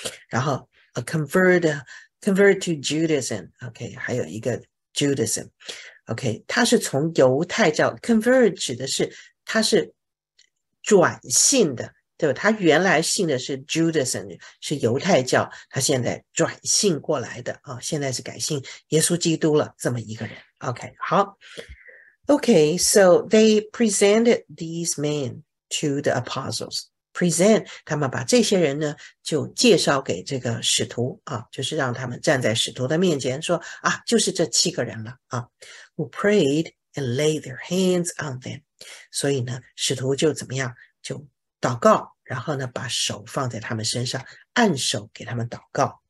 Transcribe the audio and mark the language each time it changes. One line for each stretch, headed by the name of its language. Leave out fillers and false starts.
Chinese: 然后
English: convert to Judaism，
Chinese: OK，、okay, 还有一个 Judaism，OK，、okay, 他是从犹太教 convert 指的是他是转信的，对吧？他原来信的是 Judaism，是犹太教，他现在转信过来的啊，现在是改信耶稣基督了，这么一个人。 OK，好。
English: OK，so they presented these men to the apostles.
Chinese: Present，他们把这些人呢就介绍给这个使徒啊，就是让他们站在使徒的面前说啊，就是这七个人了啊。
English: Who prayed and laid their hands on them？
Chinese: 所以呢，使徒就怎么样就祷告，然后呢，把手放在他们身上，按手给他们祷告。